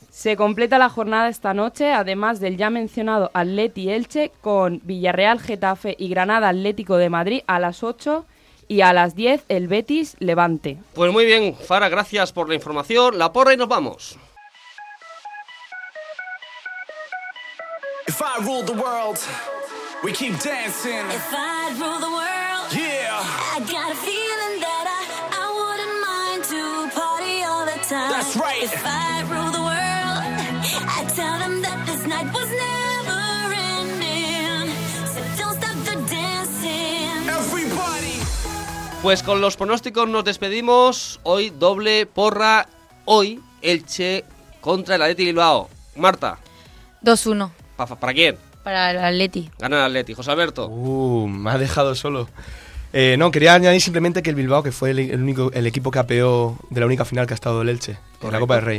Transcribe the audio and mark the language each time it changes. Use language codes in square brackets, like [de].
[es] Se completa la jornada esta noche, además del ya mencionado Atleti-Elche, con Villarreal-Getafe y Granada-Atlético de Madrid a las 8 y a las 10 el Betis-Levante. Pues muy bien, Fara, gracias por la información. La porra y nos vamos. [en] If I rule the world, we keep dancing. If I rule the world, yeah. I got a feeling that I wouldn't mind to party all the time. That's right. If I rule the world, tell them that this night was never ending, so don't stop the dancing. Everybody. [es] Pues con los pronósticos nos despedimos. Hoy doble porra. Hoy Elche contra el Atleti Bilbao. Marta. 2-1. ¿Para quién? Para el Atleti. Gana el Atleti. José Alberto. Me ha dejado solo. No, quería añadir simplemente que el Bilbao, que fue el equipo que apeó de la única final que ha estado el Elche, correcto, en la Copa del Rey.